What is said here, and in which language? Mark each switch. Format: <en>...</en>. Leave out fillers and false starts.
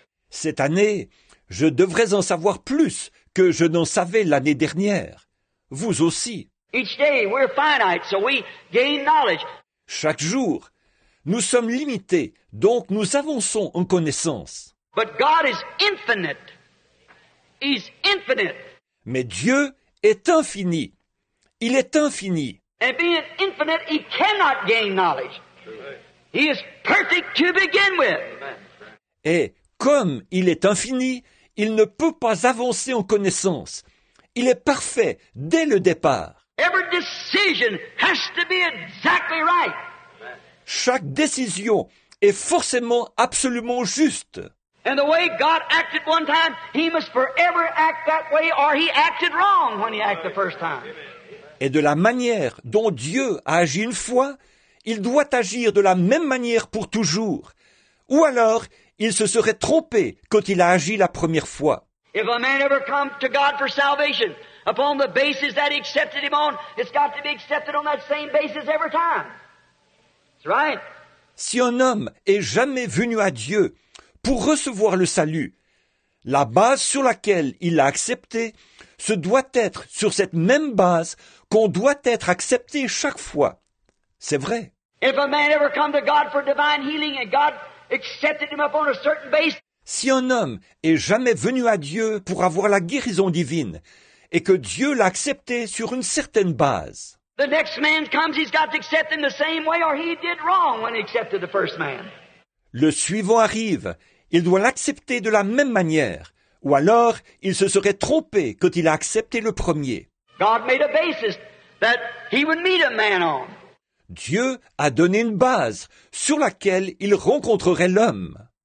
<fr>Cette année, je devrais en savoir plus que je n'en savais l'année dernière. Vous aussi.</fr> <en>Each day, we're finite, so we gain knowledge.</en> <fr>Chaque jour, nous sommes limités, donc nous avançons en connaissance.</fr> <en>But God is infinite. He's infinite.</en> <fr>Mais Dieu est infini. Il est infini.</fr> <en>And being infinite, he cannot gain knowledge. He is perfect to begin with.</en> <fr>Et comme il est infini, il ne peut pas avancer en connaissance. Il est parfait dès le départ.</fr> <en>Every decision has to be exactly right.</en> <fr>Chaque décision est forcément absolument juste.</fr> <en>And the way God acted one time, he must forever act that way, or he acted wrong when he acted the first time.</en> <fr>Et de la manière dont Dieu a agi une fois, il doit agir de la même manière pour toujours. Ou alors, il se serait trompé quand il a agi la première fois.</fr> <en>If a man ever come to God for salvation upon the basis that he accepted him on, it's got to be accepted on that same basis every time. Right?</en> <fr>Si un homme est jamais venu à Dieu pour recevoir le salut, la base sur laquelle il l'a accepté, ce doit être sur cette même base qu'on doit être accepté chaque fois. C'est vrai.</fr> <en>If a man ever come to God for divine healing and God accepted him upon a certain basis.</en> <fr>Si un homme est jamais venu à Dieu pour avoir la guérison divine et que Dieu l'a accepté sur une certaine base.</fr> <en>The next man comes, he's got to accept him the same way or he did wrong when he accepted the first man.</en> <fr>Le suivant arrive, il doit l'accepter de la même manière ou alors il se serait trompé quand il a accepté le premier.</fr> <en>God made a basis that he would meet a man on.</en> <fr>Dieu a donné une base sur laquelle il rencontrerait l'homme.</fr>